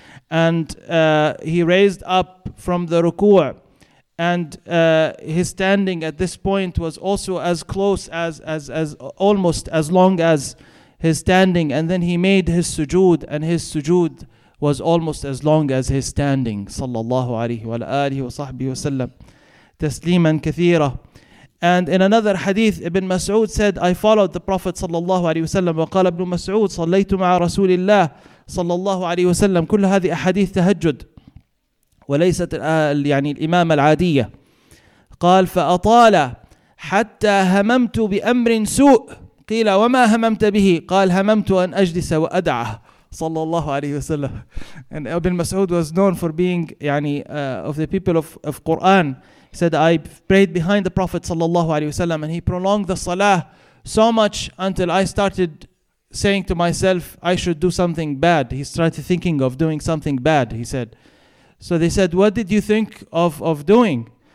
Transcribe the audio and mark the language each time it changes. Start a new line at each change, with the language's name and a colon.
English: And he raised up from the ruku' and his standing at this point was also as close as almost as long as his standing. And then he made his sujood, and his sujood was almost as long as his standing, sallallahu alayhi wa alihi wa sahbihi wa sallam, tasliman kathira. And in another hadith, Ibn Mas'ud said, I followed the Prophet sallallahu alayhi wa sallam.
Arabic: وقال ابن مسعود صليت مع رسول الله صلى الله عليه وسلم. كل هذه أحاديث تهجد وليست يعني الإمامة العادية. قال فأطال حتى هممت بأمر سوء. قيل وما هممت به؟ قال هممت أن أجلس وأدعى صلى الله عليه وسلم.
English: And Ibn Mas'ud was known for being يعني of the people of Quran. He said, I prayed behind the Prophet sallallahu alayhi wasallam, and he prolonged the salah so much until I started saying to myself, I should do something bad. He started thinking of doing something bad, he said. So they said, what did you think of doing?